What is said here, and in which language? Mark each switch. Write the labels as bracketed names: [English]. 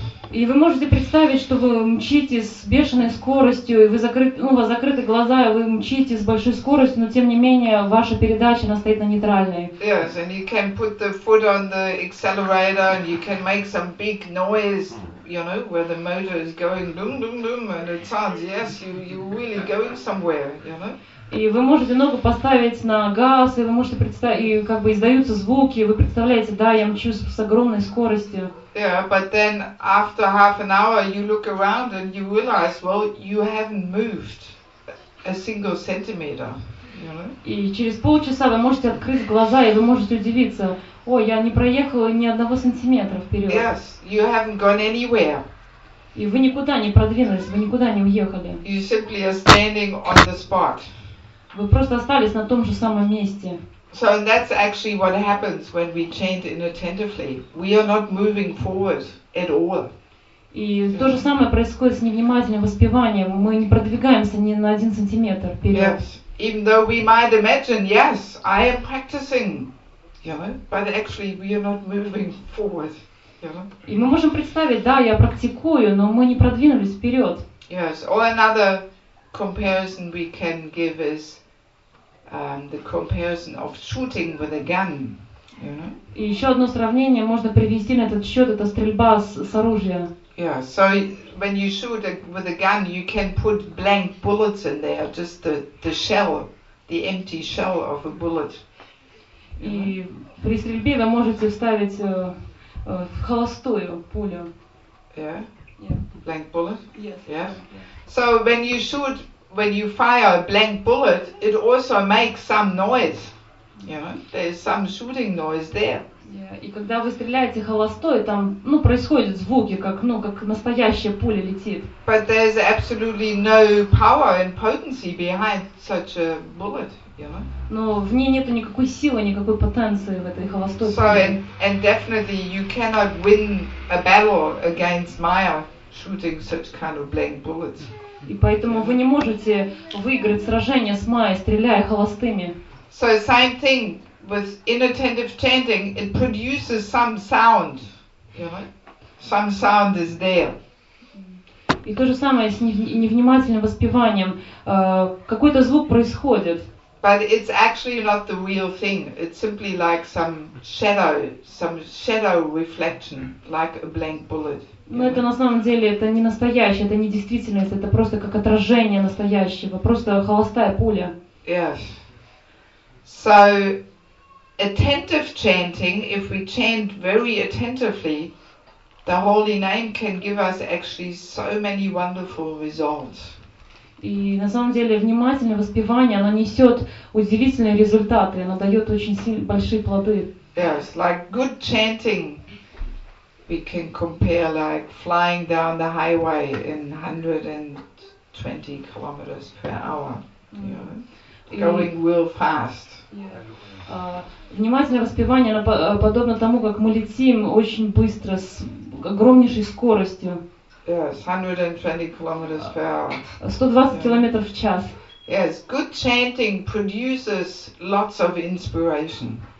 [Russian] И вы можете представить, что вы мчите с бешеной скоростью, и у вас закрыты глаза, и вы мчите с большой скоростью, но тем не менее ваша передача она стоит на нейтральной. [English] Yes, and you can put the foot on the accelerator, and you can make some big noise, you know, where the motor is going boom, boom, boom, and it sounds yes, you really going somewhere, you know. [Russian] И вы можете ногу поставить на газ, и вы можете представить, и как бы издаются звуки, и вы представляете, да, я мчусь с огромной скоростью. [English] Yeah, but then after half an hour you look around and you realize, well, you haven't moved a single centimeter, you know? [Russian] И через полчаса вы можете открыть глаза, и вы можете удивиться, о, я не проехала ни одного сантиметра вперед. [English] Yes, you haven't gone anywhere. [Russian] И вы никуда не продвинулись, вы никуда не уехали. [English] You simply are standing on the spot. [Russian] Вы просто остались на том же самом месте. [English] So that's actually what happens when we chant inattentively. We are not moving forward at all. [Russian] И то же самое происходит с невнимательным воспеванием. Мы не продвигаемся ни на один сантиметр вперед. [English] Yes. Even though we might imagine, yes, I am practicing, you know, but actually we are not moving forward. [Russian] И мы можем представить, да, я практикую, но мы не продвинулись вперед. [English] Yes, or another comparison we can give is the comparison of shooting with a gun. [Russian] И еще одно сравнение можно привести на этот счет, это стрельба с оружия. [English] Yeah, so when you shoot with a gun, you can put blank bullets in there, just the shell, the empty shell of a bullet. [Russian] И при стрельбе вы можете вставить холостую пулю. [English] Yeah. Blank bullet. Yes. Yeah. So when you shoot, when you fire a blank bullet, it also makes some noise. Yeah, there's some shooting noise there. [Russian] Yeah, и когда вы стреляете холостой, там, ну, происходят звуки, как, ну, как настоящая пуля летит. [English] But there's absolutely no power and potency behind such a bullet, you know. [Russian] Но в ней нету никакой силы, никакой потенции в этой холостой пуле. [English] So and definitely you cannot win a battle against Maya shooting such kind of blank bullets. [Russian] И поэтому вы не можете выиграть сражение с Майей, стреляя холостыми. [English] So same thing with inattentive chanting, it produces some sound, you know, some sound is there. [Russian] И то же самое с невнимательным воспеванием, какой-то звук происходит. [English] But it's actually not the real thing, it's simply like some shadow reflection, like a blank bullet. [Russian] Но это на самом деле, это не настоящее, это не действительность, это просто как отражение настоящего, просто холостая пуля. [English] Yes. So, attentive chanting, if we chant very attentively, the Holy Name can give us actually so many wonderful results. [Russian] И на самом деле внимательное воспевание, оно несет удивительные результаты, оно дает очень большие плоды. [English] Yes, like good chanting, we can compare like flying down the highway in 120 kilometers per hour, you know, going real fast. [Russian] Внимательное воспевание подобно тому, как мы летим очень быстро, с огромнейшей скоростью. [English] Yes, 120 kilometers per hour. [Russian] 120 километров в час. [English] Yes, good chanting produces lots of inspiration.